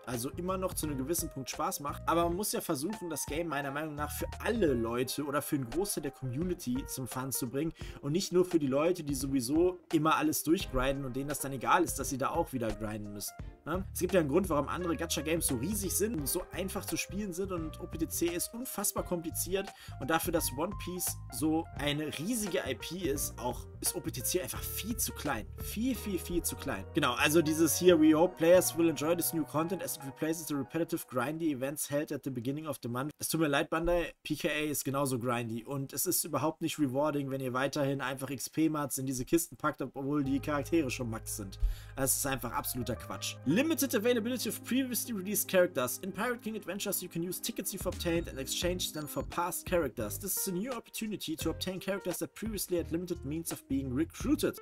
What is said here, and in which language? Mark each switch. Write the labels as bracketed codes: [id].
[de] Also immer noch zu einem gewissen Punkt Spaß macht. Aber man muss ja versuchen, das Game meiner Meinung nach für alle Leute oder für einen Großteil der Community zum Fun zu bringen und nicht nur für die Leute, die sowieso immer alles durchgrinden und denen das dann egal ist, dass sie da auch wieder grinden müssen. Es gibt ja einen Grund, warum andere Gacha-Games so riesig sind und so einfach zu spielen sind und OPTC ist unfassbar kompliziert und dafür, dass One Piece so eine riesige IP ist, auch ist OPTC einfach viel zu klein. Viel zu klein. Genau, also dieses hier, [en] we hope players will enjoy this new content as it replaces the repetitive grindy events held at the beginning of the month. [de] Es tut mir leid, Bandai, PKA ist genauso grindy und es ist überhaupt nicht rewarding, wenn ihr weiterhin einfach XP-Mats in diese Kisten packt, obwohl die Charaktere schon Max sind. Es ist einfach absoluter Quatsch. [en] Limited availability of previously released characters. In Pirate King Adventures, you can use tickets you've obtained and exchange them for past characters. This is a new opportunity to obtain characters that previously had limited means of being recruited.